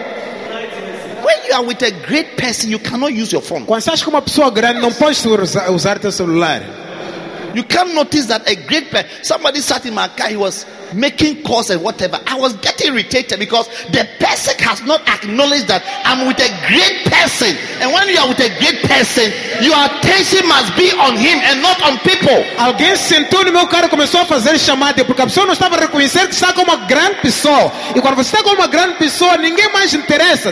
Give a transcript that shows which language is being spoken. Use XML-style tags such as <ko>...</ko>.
<en>When you are with a great person, you cannot use your phone.</en> <pt>Quando estás com uma pessoa grande, não podes usar teu celular.</pt> <en>You can't notice that a great person, somebody sat in my car, he was making calls and whatever. I was getting irritated because the person has not acknowledged that I'm with a great person. And when you are with a great person, your attention must be on him and not on people.</en> <pt>Alguém sentou no meu carro e começou a fazer chamada porque a pessoa não estava a reconhecer que está com uma grande pessoa. E quando você está com uma grande pessoa, ninguém mais interessa.</pt>